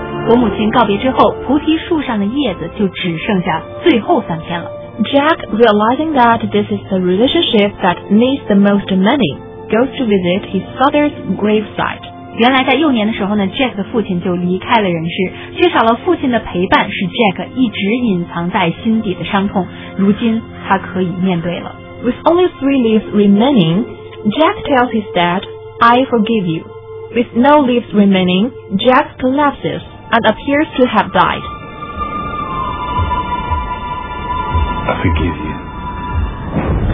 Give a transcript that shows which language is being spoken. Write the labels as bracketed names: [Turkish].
[Chinese] 我母亲告别之后，菩提树上的叶子就只剩下最后三片了。 [English] Jack, realizing that this is the relationship that needs the most money, goes to visit his father's gravesite. [Chinese] 原来在幼年的时候呢， Jack 的父亲就离开了人世，缺少了父亲的陪伴是 Jack 一直隐藏在心底的伤痛，如今他可以面对了。 [English] With only three leaves remaining, Jack tells his dad, I forgive you. With no leaves remaining, Jack collapses and appears to have died. I forgive you.